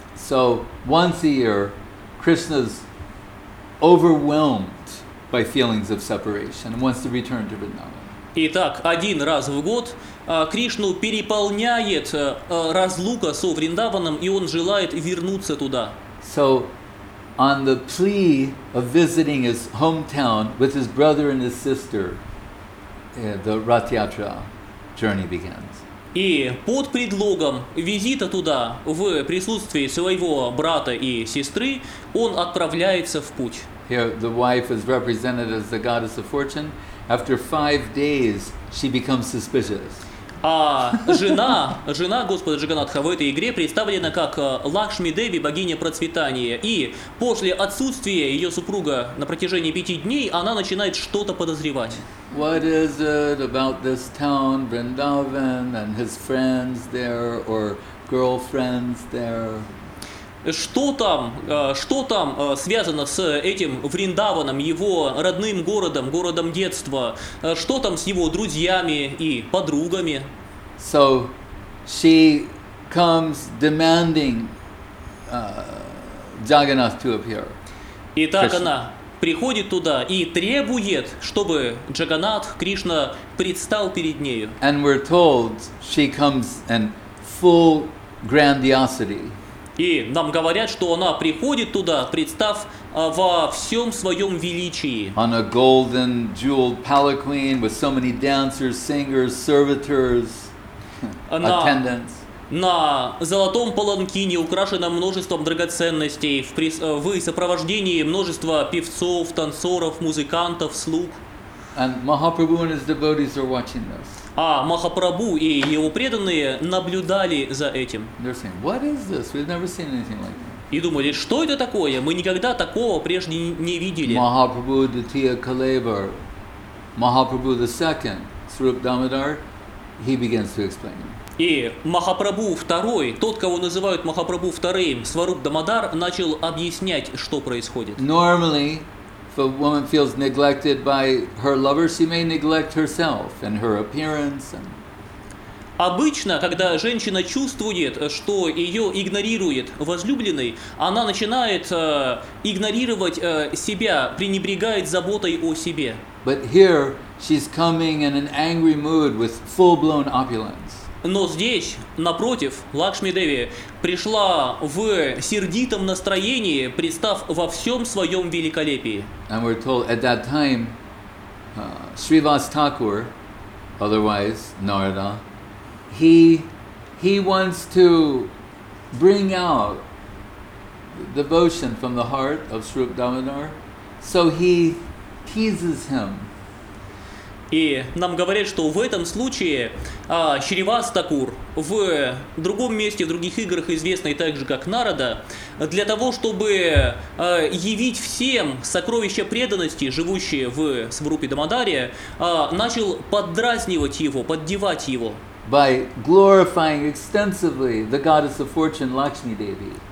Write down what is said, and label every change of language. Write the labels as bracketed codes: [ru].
[en] So once a year, Krishna's overwhelmed by feelings of separation and wants to return to Vrindavan. [ru] Итак, один раз в год Кришну переполняет разлука со Вриндаваном, и он желает вернуться туда. [en] So, on the plea of visiting his hometown with his brother and his sister, the Rath-Yatra journey begins. [ru] И под предлогом визита туда в присутствии своего брата и сестры он отправляется в путь. [en] Here the wife is represented as the goddess of fortune. After 5 days she becomes suspicious. [ru] А жена, жена Господа Джаганатха в этой игре представлена как Лакшми Деви, богиня процветания. И после отсутствия ее супруга на протяжении 5 дней, она начинает что-то подозревать. [en] What is it about this town, Vrindavan, and his friends there, or girlfriends there? [ru] Что там связано с этим Вриндаваном, его родным городом, городом детства? Что там с его друзьями и подругами? [en] So she comes demanding Jagannath to appear. [ru] Итак, она приходит туда и требует, чтобы Джаганнатх, Кришна, предстал перед нею. [en] And we're told she comes in full grandiosity. [ru] И нам говорят, что она приходит туда, представ во всем своем величии. [en] On a golden jeweled palanquin with so many dancers, singers, servitors, attendants. [ru] На золотом паланкине, украшенном множеством драгоценностей, в сопровождении множества певцов, танцоров, музыкантов, слуг. [en] And Mahaprabhu and his devotees are watching this. [ru] А Махапрабху и его преданные наблюдали за этим. [en] They're saying, what is this? We've never seen anything like that. [ru] И думали, что это такое? Мы никогда такого прежде не видели. [en] Mahaprabhu Dutiya Kalevar, Mahaprabhu the second, Srup Damodar, he begins to explain it. [ru] И Махапрабху второй, тот, кого называют Махапрабху вторым, Сваруп Дамодар, начал объяснять, что происходит. [en] Normally, if a woman feels neglected by her lover, she may neglect herself and her appearance. And... [ru] Обычно, когда женщина чувствует, что ее игнорирует возлюбленный, она начинает игнорировать себя, пренебрегает заботой о себе. [en] But here, she's coming in an angry mood with full-blown opulence. [ru] Но здесь, напротив, Лакшми Деви пришла в сердитом настроении, представ во всем своем великолепии. [en] And we're told at that time, Srivas Thakur, otherwise Narada, he wants to bring out devotion from the heart of Srup Damodar, so he teases him. [ru] И нам говорят, что в этом случае Шривас Такур в другом месте, в других играх, известной также как Нарада, для того, чтобы явить всем сокровища преданности, живущие в Сварупе Дамодаре, начал поддразнивать его, поддевать его. [en] By glorifying extensively the goddess of fortune, Lakshmi Devi.